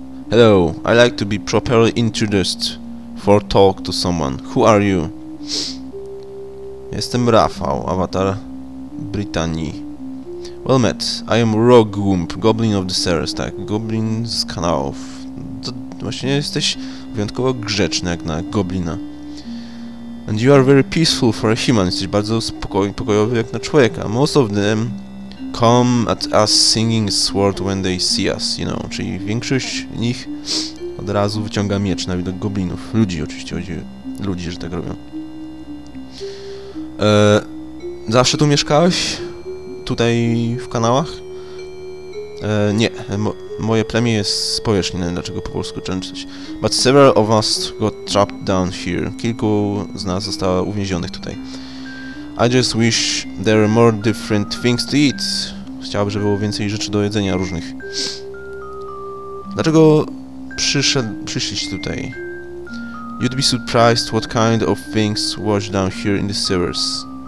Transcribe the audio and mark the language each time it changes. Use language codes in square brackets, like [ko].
[en] Hello, I like to be properly introduced for talk to someone. Who are you? [pl] Jestem Rafał, awatar Brytanii. [en] Well met. I am Rogwump, Goblin of the Stairs. [pl] Tak, Goblin z kanałów. To właśnie jesteś wyjątkowo grzeczny jak na goblina. [en] And you are very peaceful for a human. [pl] Jesteś bardzo pokojowy jak na człowieka. [en] Most of them come at us singing sword when they see us, you know. [pl] Czyli większość z nich od razu wyciąga miecz na widok goblinów. Ludzi oczywiście, chodzi o ludzi, że tak robią. Zawsze tu mieszkałeś? Tutaj w kanałach? Nie. Moje plemię jest z powierzchni, nie wiem dlaczego po polsku częczyć. [en] But several of us got trapped down here. [pl] Kilku z nas zostało uwięzionych tutaj. [en] I just wish there were more different things to eat. [pl] Chciałbym, żeby było więcej rzeczy do jedzenia różnych. Dlaczego przyszliś tutaj? [en] You'd be surprised what kind of things wash down here in the sewers.